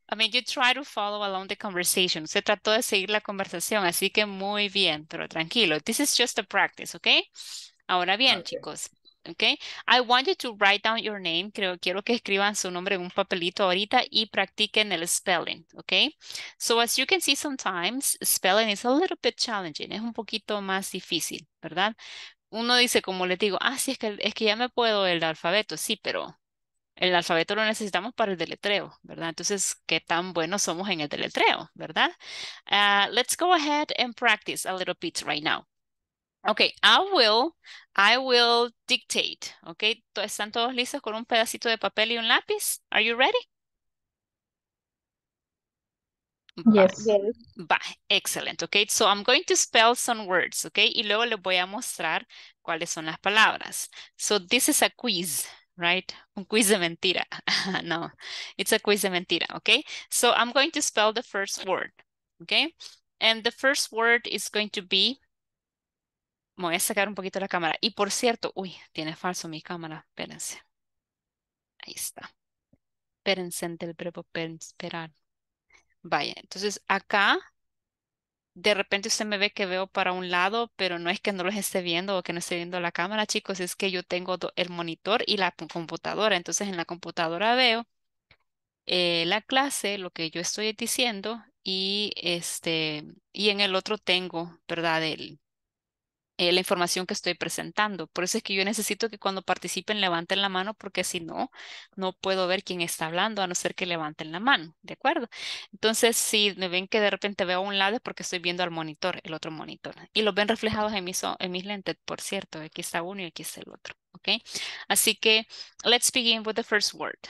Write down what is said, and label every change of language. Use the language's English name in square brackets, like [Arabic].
[English] I mean, you try to follow along the conversation. [Spanish] Se trató de seguir la conversación, así que muy bien, pero tranquilo. [English] This is just a practice, okay? [Spanish] Ahora bien, [English] okay. Chicos, okay? I want you to write down your name. [Spanish] Creo, quiero que escriban su nombre en un papelito ahorita y practiquen el spelling, okay? [English] So as you can see, sometimes spelling is a little bit challenging. [Spanish] Es un poquito más difícil, ¿verdad? Uno dice, como les digo, ah, sí, es que ya me puedo el alfabeto. Sí, pero el alfabeto lo necesitamos para el deletreo, ¿verdad? Entonces, ¿qué tan buenos somos en el deletreo, verdad? [English] Let's go ahead and practice a little bit right now. Okay, I will dictate. [Spanish] Okay, ¿están todos listos con un pedacito de papel y un lápiz? [English] Are you ready? Yes. Excellent. Okay, so I'm going to spell some words. [Spanish] Okay, y luego les voy a mostrar cuáles son las palabras. [English] So this is a quiz, right? [Spanish] Un quiz de mentira. [English] No, it's a quiz [Spanish] de mentira. [English] Okay, so I'm going to spell the first word. Okay, and the first word is going to be. [Spanish] Me voy a sacar un poquito la cámara. Y por cierto, uy, tiene falso mi cámara. Espérense. Ahí está. Espérense del verbo esperar. Vaya, entonces acá, de repente usted me ve que veo para un lado, pero no es que no los esté viendo o que no esté viendo la cámara, chicos, es que yo tengo el monitor y la computadora. Entonces en la computadora veo la clase, lo que yo estoy diciendo, y y en el otro tengo, ¿verdad?, la información que estoy presentando. Por eso es que yo necesito que cuando participen levanten la mano, porque si no, no puedo ver quién está hablando, a no ser que levanten la mano, ¿de acuerdo? Entonces, si me ven que de repente veo a un lado, es porque estoy viendo al monitor, el otro monitor. Y los ven reflejados en mis lentes, por cierto. Aquí está uno y aquí está el otro, ¿ok? Así que, [English] let's begin with the first word.